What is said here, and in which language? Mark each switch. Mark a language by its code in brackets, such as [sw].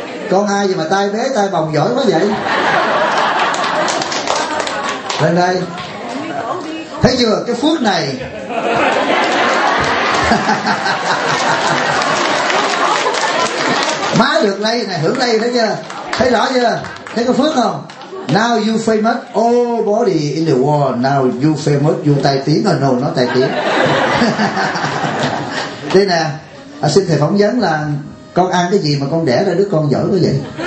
[vi] Con ai vậy mà tay bé tay bồng giỏi quá vậy? Lên đây. Thấy chưa, cái phước này. Má được lây này, hưởng lây thấy chưa? Thấy rõ chưa? Thấy có phước không? [en] Now you famous, all body in the world. Now you famous, you [vi] tài tiếng rồi, no, nó tài tiếng. Đây nè, à, xin thầy phỏng vấn là con ăn cái gì mà con đẻ ra đứa con giỏi quá vậy?